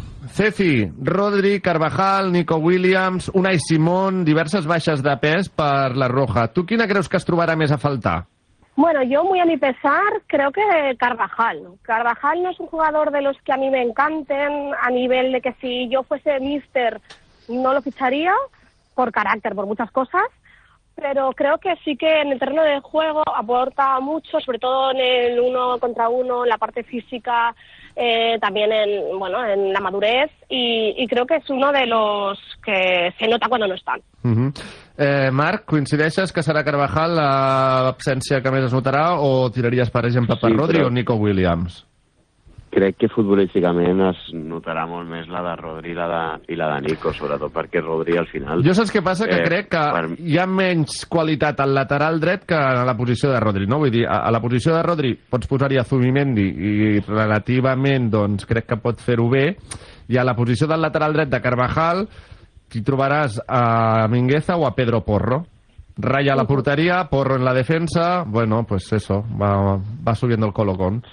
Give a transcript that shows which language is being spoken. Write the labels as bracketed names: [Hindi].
[Catalan] Ceci, Rodri, Carvajal, Nico Williams, Unai Simón, diverses baixes de pes per la Roja. Tu quina creus que es trobarà més a faltar? [Spanish] Bueno, yo muy a mi pesar creo que Carvajal. Carvajal no es un jugador de los que a mí me encanten, a nivel de que si yo fuese míster no lo ficharía, por carácter, por muchas cosas, pero creo que sí que en el terreno de juego aporta mucho, sobre todo en el uno contra uno, en la parte física, también en, bueno, en la madurez, y creo que es uno de los que se nota cuando no están. Uh-huh. [Catalan] Marc, ¿coincideixes que serà Carvajal l'absència que més es notarà o tiraries, per exemple, per sí, Rodri però... o Nico Williams? Crec que futbolísticament es notarà molt més la de Rodri i la de Nico, sobretot perquè Rodri al final... Jo saps què passa? Que crec que hi ha menys qualitat al lateral dret que a la posició de Rodri, no? Vull dir, a la posició de Rodri pots posar-hi a Zubimendi i relativament, doncs, crec que pot fer-ho bé, i a la posició del lateral dret de Carvajal t'hi trobaràs a Mingueza o a Pedro Porro. [Spanish] Raya la porteria, Porro en la defensa, bueno, pues eso, va subiendo el colocón.